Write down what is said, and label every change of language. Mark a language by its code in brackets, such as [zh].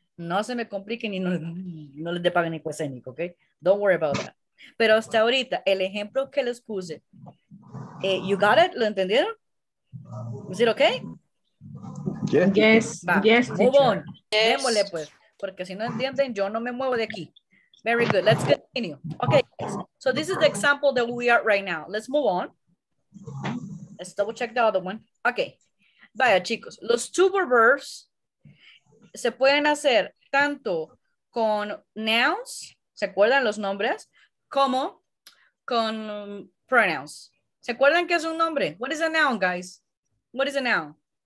[es] No se me compliquen y no les dé pago ni cuesénico, ¿ok? [en] Don't worry about that. [es] Pero hasta ahorita, el ejemplo que les puse, [en] you got it? [es] ¿Lo entendieron? ¿Es it okay? [en] Yes. Yes. [es] Va. [en] Yes. Move on. Yes. [es] Démosle, pues, porque si no entienden, yo no me muevo de aquí. [en] Very good. Let's continue. Okay. So this is the example that we are right now. Let's move on. Let's double check the other one. Okay. [es] Vaya, chicos. Los two verb verbs se pueden hacer tanto con nouns, ¿se acuerdan los nombres? Como con pronouns. ¿Se acuerdan qué es un nombre? [en] What is a noun, guys? What is a noun?